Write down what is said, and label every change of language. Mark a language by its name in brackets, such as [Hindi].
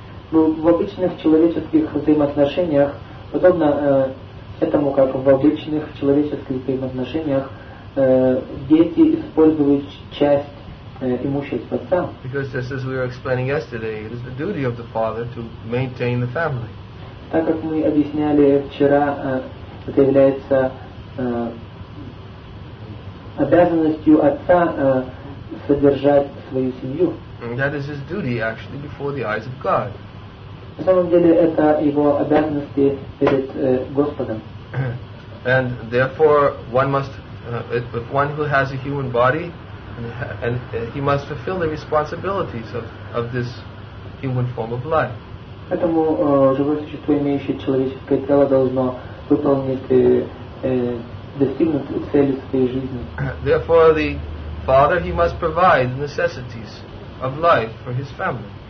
[Russian] В обычных человеческих взаимоотношениях, подобно этому, как в обычных человеческих взаимоотношениях, дети используют часть имущества отца. [English] Because just as we were explaining yesterday, it is the duty of the father to maintain the family. [Russian] Так как мы объясняли вчера, это является обязанностью отца содержать свою семью. [English] And that is his duty, actually, before the eyes of God. [Russian] На самом деле это его обязанности перед Господом. [English] And therefore, one must, if one who has a human body, and he must fulfill the responsibilities of this human form of life. [Russian] Поэтому живое существо, имеющее человеческое тело, должно выполнить достигнуть цели своей жизни. [English] Therefore, the father he must provide the necessities of life for his family.